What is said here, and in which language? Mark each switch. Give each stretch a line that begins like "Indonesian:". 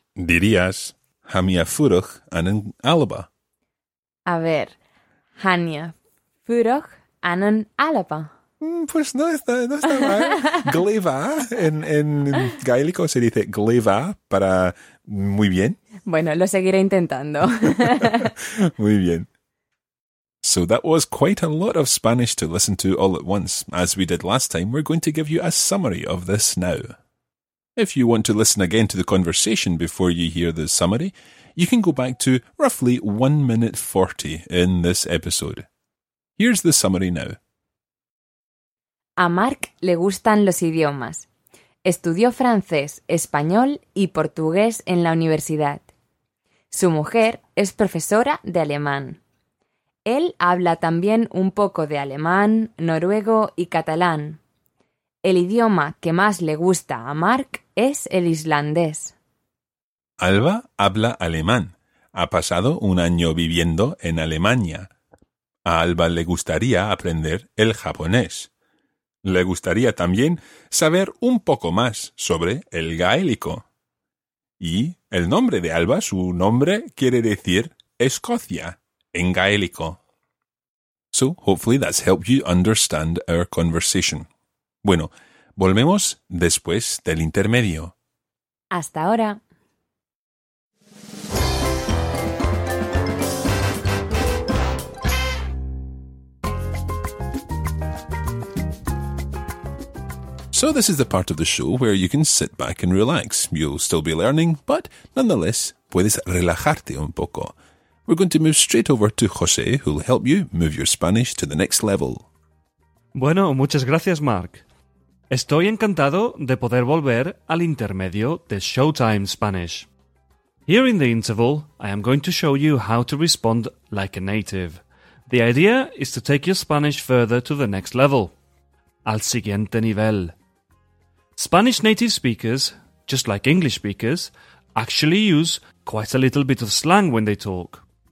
Spanish: Dirías Hania Furug Anan Alba. A ver, Hania Furug Anan Alba. Pues no está mal. Gleva, en gaélico se dice gleva para muy bien. Bueno, lo seguiré intentando. Muy bien.
English: So that was quite a lot of Spanish to listen to all at once. As we did last time, we're going to give you a summary of this now. If you want to listen again to the conversation before you hear the summary, you can go back to roughly 1 minute 40 in this episode. Here's the summary now.
Spanish: A Mark le gustan los idiomas. Estudió francés, español y portugués en la universidad. Su mujer es profesora de alemán. Él habla también un poco de alemán, noruego y catalán. El idioma que más le gusta a Mark es el islandés. Alba habla alemán. Ha pasado un año viviendo en Alemania. A Alba le gustaría aprender el japonés. Le gustaría también saber un poco más sobre el gaélico. Y el nombre de Alba, su nombre, quiere decir Escocia en gaélico.
English: So, hopefully that's helped you understand our conversation.
Spanish: Bueno, volvemos después del intermedio. Hasta ahora.
English: So this is the part of the show where you can sit back and relax. You'll still be learning, but nonetheless,
Spanish: puedes relajarte un poco.
English: We're going to move straight over to José, who'll help you move your Spanish to the next level.
Spanish: Bueno, muchas gracias, Mark. Estoy encantado de poder volver al intermedio de Showtime Spanish.
English: Here in the interval, I am going to show you how to respond like a native. The idea is to take your Spanish further to the next level.
Spanish: Al siguiente nivel.
English: Spanish native speakers, just like English speakers, actually use quite a little bit of slang when they talk.